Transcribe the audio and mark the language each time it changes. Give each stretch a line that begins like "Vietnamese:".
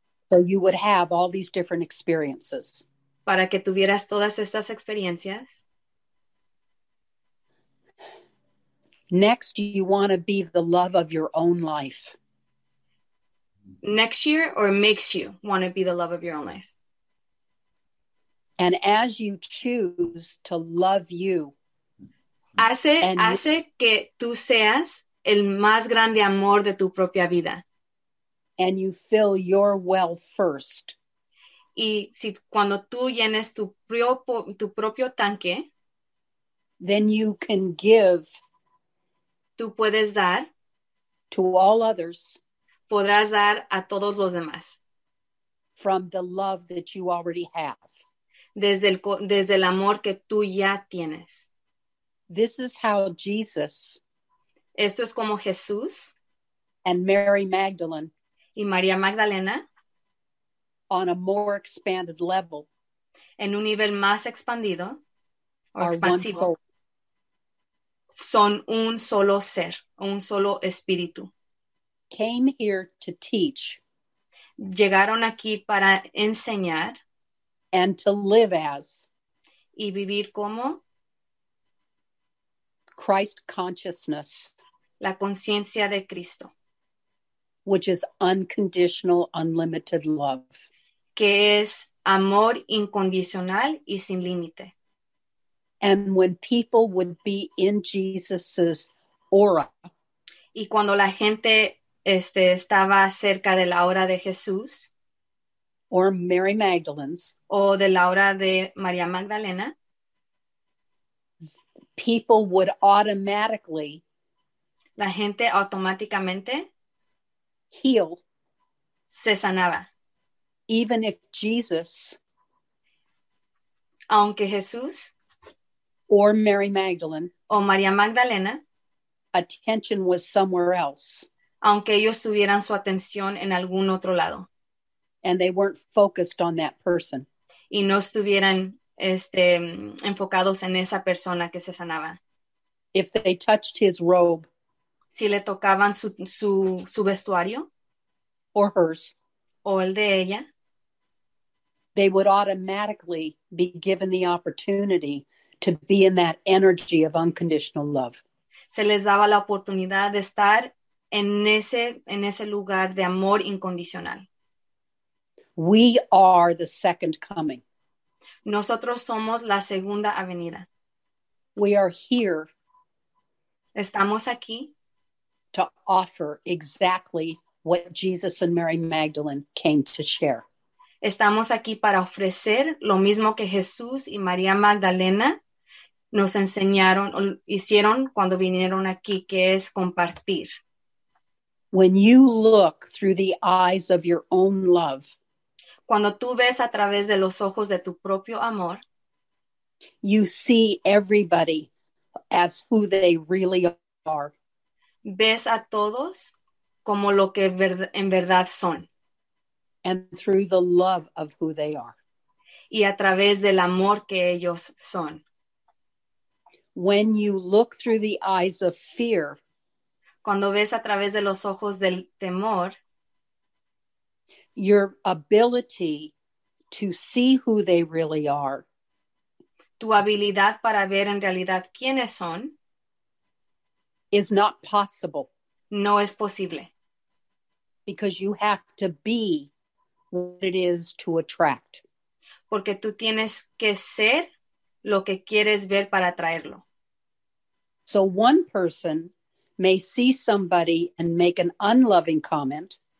English: So you would have all these different experiences.
Spanish: Para que tuvieras todas estas experiencias.
English: Next, you want to be the love of your own life. Next year, or makes you want to be the love of your own life. And as you choose to love you.
Spanish: Hace que tú seas el más grande amor de tu propia vida.
English: And you fill your well first.
Spanish: Y si cuando tú llenes tu propio tanque,
English: then you can give.
Spanish: Tú puedes dar.
English: To all others.
Spanish: Podrás dar a todos los demás.
English: From the love that you already have.
Spanish: Desde el amor que tú ya tienes.
English: This is how Jesus.
Spanish: Esto es como Jesús.
English: And Mary Magdalene.
Spanish: Y María Magdalena,
English: on a more expanded level,
Spanish: en un nivel más expandido, o expansivo, son un solo ser, un solo espíritu.
English: Came here to teach,
Spanish: llegaron aquí para enseñar,
English: and to live as,
Spanish: y vivir como,
English: Christ consciousness,
Spanish: la conciencia de Cristo.
English: Which is unconditional, unlimited love.
Spanish: Que es amor incondicional y sin límite.
English: And when people would be in Jesus's aura.
Spanish: Y cuando la gente estaba cerca de la aura de Jesús.
English: Or Mary Magdalene's.
Spanish: O de la aura de María Magdalena.
English: People would automatically.
Spanish: La gente automáticamente.
English: Heal.
Spanish: Se sanaba.
English: Even if Jesus.
Spanish: Aunque Jesús.
English: Or Mary Magdalene.
Spanish: O María Magdalena.
English: Attention was somewhere else.
Spanish: Aunque ellos tuvieran su atención en algún otro lado.
English: And they weren't focused on that person.
Spanish: Y no estuvieran enfocados en esa persona que se sanaba.
English: If they touched his robe.
Spanish: Si le tocaban su vestuario.
English: Or hers.
Spanish: O el de ella.
English: They would automatically be given the opportunity to be in that energy of unconditional love.
Spanish: Se les daba la oportunidad de estar en ese lugar de amor incondicional.
English: We are the second coming.
Spanish: Nosotros somos la segunda avenida.
English: We are here.
Spanish: Estamos aquí.
English: To offer exactly what Jesus and Mary Magdalene came to share.
Spanish: Estamos aquí para ofrecer lo mismo que Jesús y María Magdalena nos enseñaron o hicieron cuando vinieron aquí, que es compartir.
English: When you look through the eyes of your own love,
Spanish: cuando tú ves a través de los ojos de tu propio amor,
English: you see everybody as who they really are.
Spanish: Ves a todos como lo que en verdad son.
English: And through the love of who they are.
Spanish: Y a través del amor que ellos son.
English: When you look through the eyes of fear,
Spanish: cuando ves a través de los ojos del temor,
English: your ability to see who they really are,
Spanish: tu habilidad para ver en realidad quiénes son,
English: is not possible.
Spanish: No es posible.
English: Because you have to be what it is to attract.
Spanish: Porque tú tienes que ser lo que quieres ver para atraerlo.
English: So one person may see somebody and make an unloving comment.